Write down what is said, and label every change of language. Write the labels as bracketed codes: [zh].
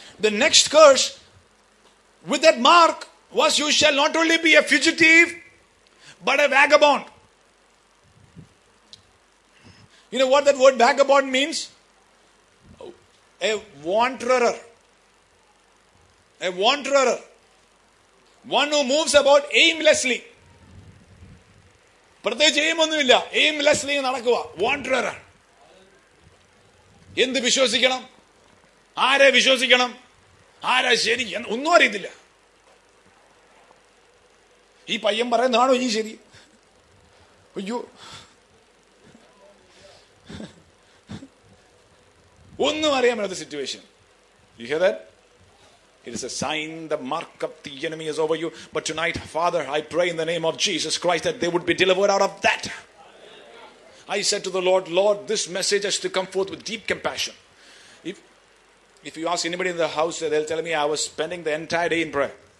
[en] The next curse with that mark was, you shall not only be a fugitive but a vagabond. You know what that word vagabond means? A wanderer. A wanderer. One who moves about aimlessly. [ml] പ്രത്യേകിച്ച് aim ഒന്നുമില്ല, aimlessly നടക്കുക. Wanderer. എന്ത് വിശ്വസിക്കണം, ആരെ വിശ്വസിക്കണം, ആരാ ശരി, ഒന്നും അറിയത്തില്ല. ഈ പയ്യൻ പറയുന്നതാണോ ഇനി ശരി? അയ്യോ, ഒന്നും അറിയാൻ മേലാത്ത situation. [en] You hear that? It is a sign, the mark of the enemy is over you. But tonight, Father, I pray in the name of Jesus Christ that they would be delivered out of that. I said to the Lord, Lord, this message has to come forth with deep compassion. If you ask anybody in the house, they'll tell me I was spending the entire day in prayer.